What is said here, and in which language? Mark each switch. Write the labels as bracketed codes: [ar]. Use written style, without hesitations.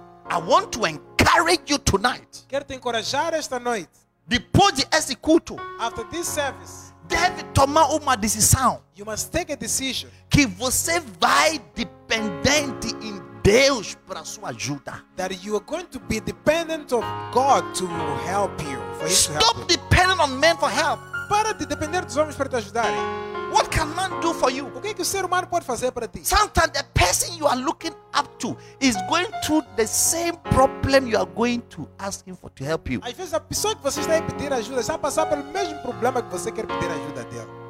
[en] I want to encourage you tonight. [pt] Quero te encorajar esta noite. Depois de esse culto. [en] After this service. [pt] Deve tomar uma decisão. [en] You must take a decision. [pt] Que você vai dependente em Deus para sua ajuda. [en] That you are going to be dependent of God to help you. For stop help you. Depending on men for help. [pt] Para de depender dos homens para te ajudar. [en] What can man do for you? [pt] O que, que o ser humano pode fazer para ti? [en] Sometimes the person you are looking up to is going through the same problem you are going to ask him for to help you. [pt] Às vezes a pessoa que você está a pedir ajuda está a passar pelo mesmo problema que você quer pedir ajuda dela.